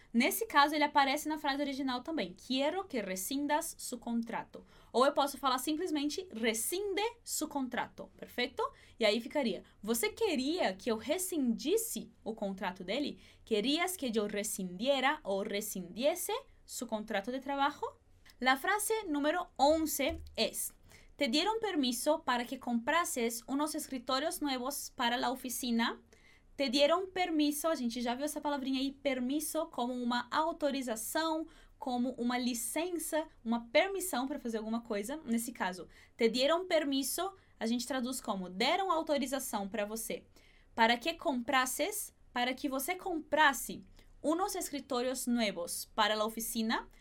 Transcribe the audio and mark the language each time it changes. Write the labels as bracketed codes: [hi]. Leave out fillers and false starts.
[pt] Nesse caso, ele aparece na frase original também. [es] Quiero que rescindas su contrato. [pt] Ou eu posso falar simplesmente [es] rescinde su contrato. [pt] Perfeito? E aí ficaria: você queria que eu rescindisse o contrato dele? [es] Querías que yo rescindiera o rescindiese su contrato de trabajo? La frase número 11 es: te dieron permiso para que comprases unos escritorios nuevos para la oficina. Te dieron permiso, [pt] a gente já viu essa palavrinha aí, permiso, como uma autorização, como uma licença, uma permissão para fazer alguma coisa. Nesse caso, [es] te dieron permiso, [pt] a gente traduz como deram autorização para você. [es] Para que comprases, [pt] para que você comprasse [es] unos escritorios nuevos para la oficina.